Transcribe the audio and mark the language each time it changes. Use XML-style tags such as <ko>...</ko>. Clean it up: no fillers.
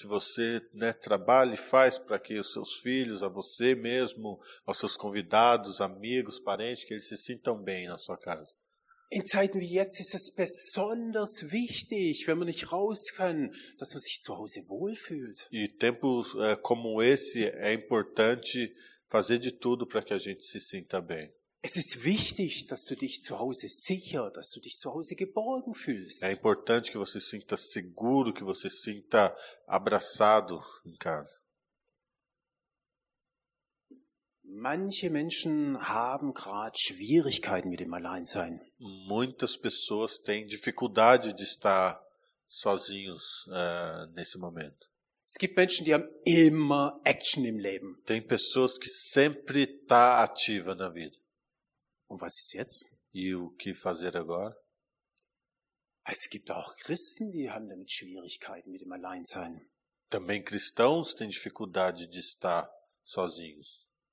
<pt>Que você, né, trabalhe e faz para que os seus filhos, a você mesmo, aos seus convidados, amigos, parentes, que eles se sintam bem na sua casa.</pt> <de>In Zeiten wie jetzt ist es besonders wichtig, wenn man nicht raus kann, dass man sich zu Hause wohlfühlt.</de> <pt>E tempos como esse é importante fazer de tudo para que a gente se sinta bem.</pt> <de>Es ist wichtig, dass du dich zu Hause sicher, dass du dich zu Hause geborgen fühlst.</de> <pt>É importante que você sinta seguro, que você sinta abraçado em casa.</pt> <de>Manche Menschen haben gerade Schwierigkeiten mit dem Alleinsein.</de> <pt>Muitas pessoas têm dificuldade de estar sozinhos nesse momento.</pt> <de>Es gibt Menschen, die haben immer Action im Leben.</de> <pt>Tem pessoas que sempre tá ativa na vida.</pt> <de>Und was ist jetzt?</de> <pt>E o que fazer agora?</pt> <de>Es gibt auch Christen, die haben damit Schwierigkeiten mit dem Alleinsein.</de> <pt>Também cristãos têm dificuldade de estar sozinhos.</pt>